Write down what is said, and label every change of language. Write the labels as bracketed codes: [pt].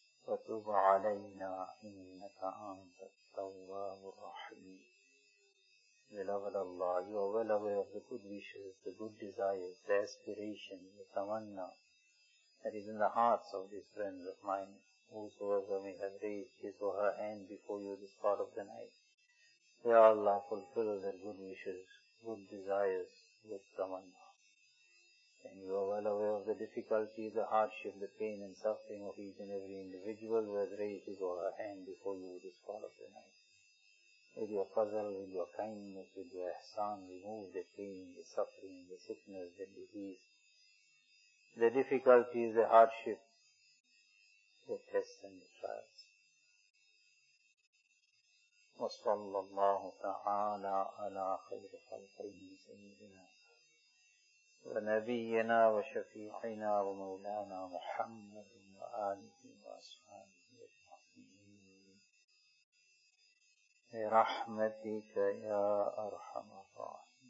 [ar] وتب علينا إنك أنت التواب الرحيم. [en] Beloved Allah, you are well aware of the good wishes, the good desires, the aspiration, the tamanna that is in the hearts of these friends of mine, whosoever may have raised his or her hand before you this part of the night. Ya Allah, fulfill their good wishes, good desires, good tamanna. And you are well aware of the difficulty, the hardship, the pain and suffering of each and every individual who has raised his or her hand before you this fall of the night. With your fazal, with your kindness, with your ihsan, remove the pain, the suffering, the sickness, the disease, the difficulties, the hardship, the tests and the trials. [ar] Wa sallallahu ta'ala ala khayri khalqayhi sayyidina ونبينا وشفيعنا ومولانا محمد وآله وأصحابه أجمعين برحمتك يا أرحم الراحمين.